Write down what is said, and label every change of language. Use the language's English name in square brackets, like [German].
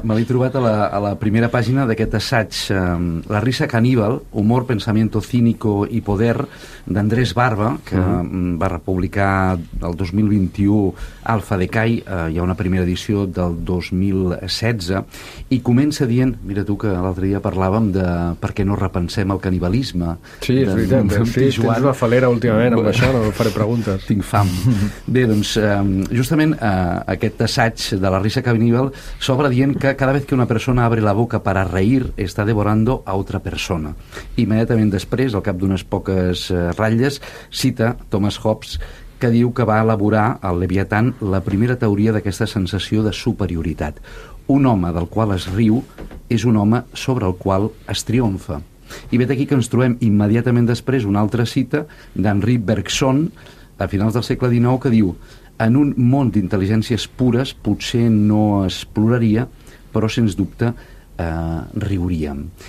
[Catalan] Me l'he trobat a la primera pàgina d'aquest assaig, La risa caníbal, humor, pensamiento cínico y poder, d'Andrés Barba, que va republicar el 2021 Alfa de Cai, hi ha una primera edició del 2016, i comença dient, mira tu que l'altre dia parlàvem de per què no repensem el canibalisme. Sí, és veritat, tens una falera últimament amb això, no faré preguntes. Tinc fam. Bé, doncs, justament aquest assaig de La risa caníbal s'obre dient que [Spanish] cada vez que una persona abre la boca para reír está devorando a otra persona. [Catalan] Immediatament després, al cap d'unes poques ratlles, cita Thomas Hobbes, que diu que va elaborar al Leviatán la primera teoria d'aquesta sensació de superioritat. Un home del qual es riu és un home sobre el qual es triomfa. I ve d'aquí que ens trobem immediatament després una altra cita d'Henri Bergson, a finals del segle XIX, que diu: en un món d'intel·ligències pures potser no es ploraria, però sens dubte riuríem.